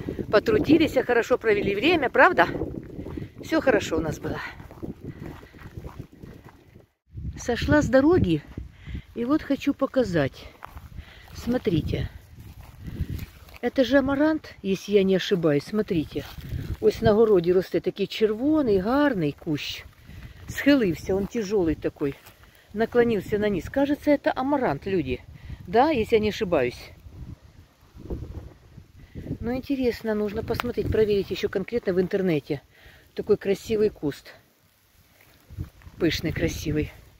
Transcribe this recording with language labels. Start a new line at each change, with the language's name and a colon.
Russian: Потрудились, хорошо провели время, правда? Все хорошо у нас было. Сошла с дороги, и вот хочу показать. Смотрите. Это же амарант, если я не ошибаюсь. Смотрите.
Ukrainian: Ось на городе росте такий червоний, гарний кущ.
Russian: Схилився, он тяжелый такой. Наклонился на низ. Кажется, это амарант, люди. Да, если я не ошибаюсь. Ну, интересно, нужно посмотреть, проверить еще конкретно в интернете. Такой красивый куст. Пышный, красивый.